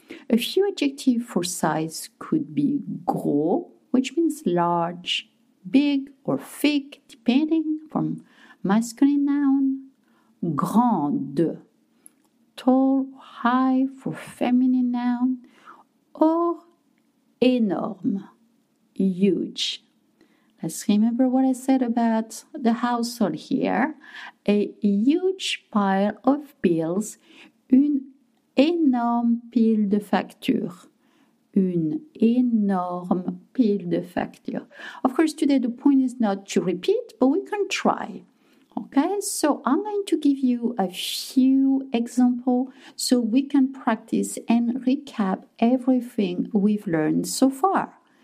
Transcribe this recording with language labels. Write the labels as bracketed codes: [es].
[en] A few adjectives for size could be gros, which means large, big, or thick, depending from masculine noun. Grande, tall, high for feminine noun, or énorme, huge. Let's remember what I said about the household here. A huge pile of bills, [fr] une énorme pile de facture. Une énorme pile de facture. [en] Of course, today the point is not to repeat, but we can try. Okay, so I'm going to give you a few examples so we can practice and recap everything we've learned so far.